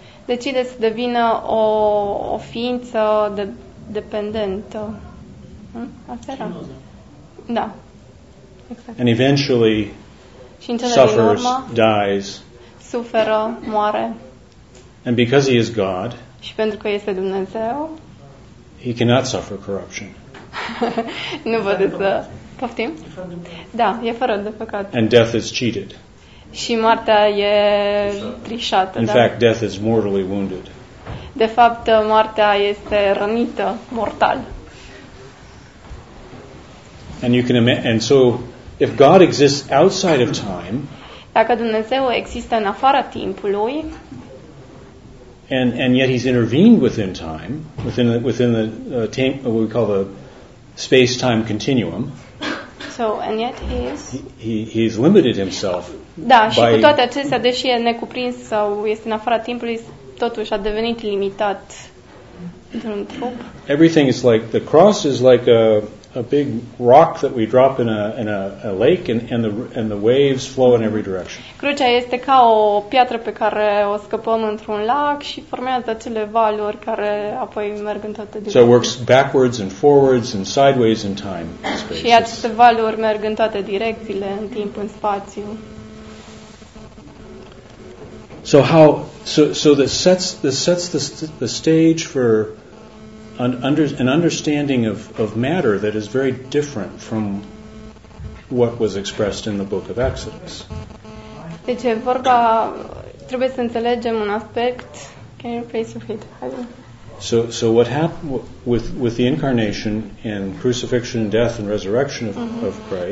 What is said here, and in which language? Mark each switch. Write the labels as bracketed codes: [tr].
[ro] Decide să devină o ființă dependentă. Asta. Da. Exact. [en] And eventually suffers, dies. [ro] Suferă, moare. [en] And because he is God, [ro] și pentru că este Dumnezeu, [en] he cannot suffer corruption. [ro] Nu poate să poftim? Da, e fără de păcat. [en] And death is cheated. [ro] Și moartea e trișată. [en] In fact, death is mortally wounded. [ro] De fapt, moartea este rănită mortal. [en] And you can and so if God exists outside of time, [ro] dacă Dumnezeu există în afara timpului, [en] and yet he's intervened within time, what we call the space-time continuum. So, and yet he is. He's limited himself. [ro] Da, și cu toate acestea, deși e necuprins sau este în afara timpului, totuși a devenit limitat într-un trup. [en] Everything is like the cross is like a big rock that we drop in a lake and the waves flow in every direction. [ro] Crucea este ca o piatră pe care o scăpăm într-un lac și formează acele valuri care apoi merg în toate direcțiile. [en] So it works backwards and forwards and sideways in time. [ro] Și aceste valuri merg în toate direcțiile, în timp, în spațiu. [en] So this sets the stage for an understanding of matter that is very different from what was expressed in the book of Exodus. [ro] Deci e vorba, trebuie să înțelegem un aspect. [en] Can you please repeat? So what happened with the incarnation and crucifixion, death and resurrection of Christ?